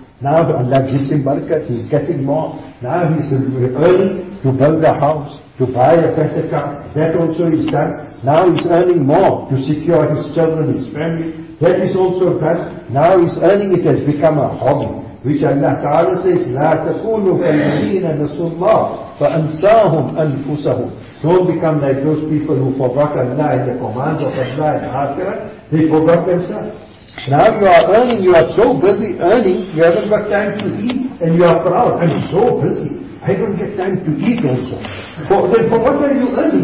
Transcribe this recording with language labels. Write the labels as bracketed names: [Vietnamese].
[English] Now Allah gives him barakat, he's getting more. Now he's earning to build a house, to buy a better car. That also is done. Now he's earning more to secure his children, his family. That is also done. Now he's earning, it has become a hobby. Which Allah Ta'ala says, [Arabic] لَا تَكُونُوا كَالَّذِينَ نَسُوا اللَّهُ فَأَنْسَاهُمْ أَنْفُسَهُمْ. [English] Don't become like those people who forgot Allah and the commands of Allah and Akhirah. They forgot themselves. Now you are earning, you are so busy earning, you haven't got time to eat, and you are proud. I'm so busy, I don't get time to eat also. But then for what are you earning?